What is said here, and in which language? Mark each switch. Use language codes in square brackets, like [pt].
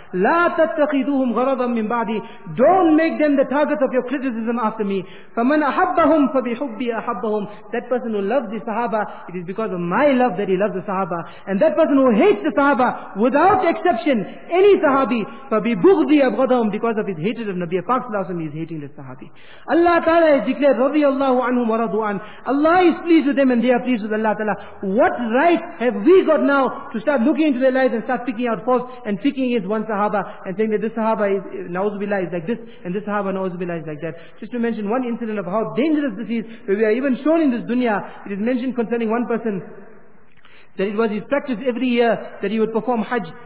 [ar] "La tattakhiduhum gharadan min ba'di." [en] Don't make them the targets of your criticism after me. [ar] "Faman ahabbahum fa bihubbi ahabbahum." [en] That person who loves the Sahaba, it is because of my love that he loves the Sahaba. And that person who hates the Sahaba, without exception, any Sahabi, [ar] فَبِبُغْضِ أَبْغَضَهُمْ, [en] because of his hatred of Nabi Prophet Sallallahu Alaihi Wasallam, he is hating the Sahabi. Allah Ta'ala has declared, [ar] رَضِيَ اللَّهُ عَنْهُمْ وَرَضُوا عَنْهُ. [en] Allah is pleased with them and they are pleased with Allah Ta'ala. What right have we got now to start looking into their lives and start picking out faults and picking against one Sahaba and saying that this Sahaba is, na'udhu billah, is like this, and this Sahaba, na'udhu billah, is like that? Just to mention one incident of how dangerous this is, where we are even shown in this dunya, it is mentioned concerning one person, that it was his practice every year that he would perform Hajj.